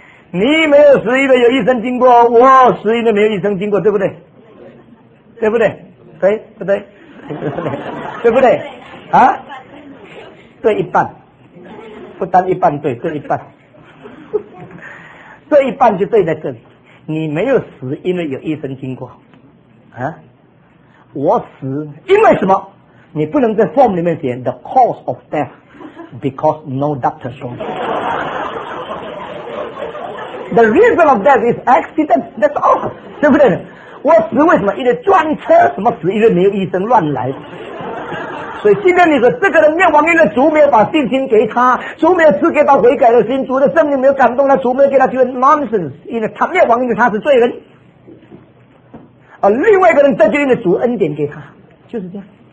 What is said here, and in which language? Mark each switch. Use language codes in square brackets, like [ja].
[zh] 你没有死因为有医生经过，我死因为没有医生经过，对不对？对不对？对不对？对不对？啊，对一半，不单一半，对，对一半，对一半，就对在这里，你没有死因为有医生经过，啊，我死因为什么？你不能在 [en] form [zh] 里面写 [en] the cause of death because no doctor showed up. The reason of death is accident. That's all. [zh] 对不对？我死为什么？因为撞车。什么死？因为没有医生乱来。所以今天你说这个人灭亡，因为主没有把信心给他，主没有赐给他悔改的心，主的圣灵没有感动他，主没有给他机会。 [en] Nonsense. [zh] 因为他灭亡，因为他是罪人。而另外一个人这就因为主恩典给他，就是这样。